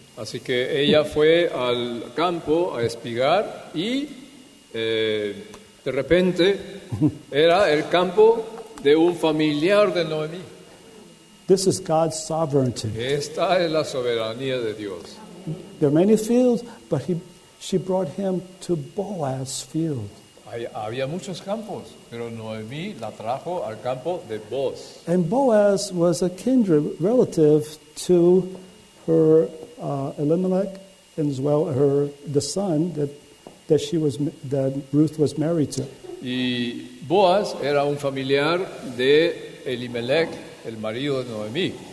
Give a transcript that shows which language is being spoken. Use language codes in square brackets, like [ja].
[es] Así que ella fue al campo a espigar y de repente era el campo de un familiar de Noemí. [en] This is God's sovereignty. [es] Esta es la soberanía de Dios. [en] There are many fields, but she brought him to Boaz's field. [es] Había muchos campos, pero Noemí la trajo al campo de Boaz. [en] And Boaz was a kindred relative to her Elimelech, and as well her the son that Ruth was married to. [es] Y Boaz era un familiar de Elimelech, el marido de Noemí.